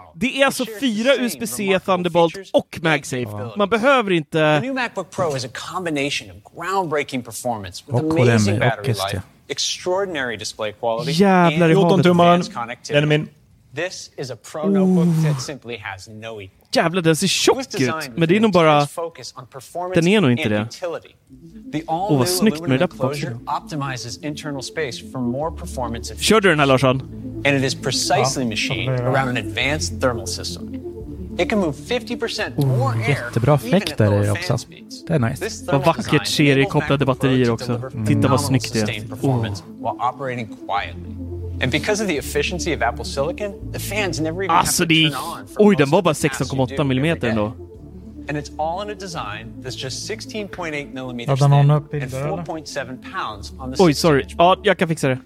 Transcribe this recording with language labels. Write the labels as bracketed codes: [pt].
[sv] Det är alltså 4 USB-C, Thunderbolt och MagSafe. Man behöver inte... [en] The new MacBook Pro is a combination of groundbreaking performance with amazing battery life. extraordinary display quality. [sv] Jävlar, [en] and [sv] 14 tummar. Den är min. [en] This is a pro notebook that simply has no equal. [sv] Jävlar, den ser tjock ut. Men det är nog bara... Den är nog inte det. Åh, vad snyggt med det där. Kör du den här, Larsson? [en] And it is precisely machined around an advanced thermal system. It can move 50% more air. [sv] Jättebra effekt där det också. Det är nice. Vad vackert seriekopplade batterier också. Titta vad snyggt det är. [en] And because of the efficiency of Apple silicon, the fans never even [sv] alltså [en] have to turn on. [sv] Oj, den var bara 16,8 mm ändå. [en] And it's all in a design that's just 16.8 millimeters thin and 4.7 pounds on the. [sv] Oj, sorry. Ja, jag kan fixa det.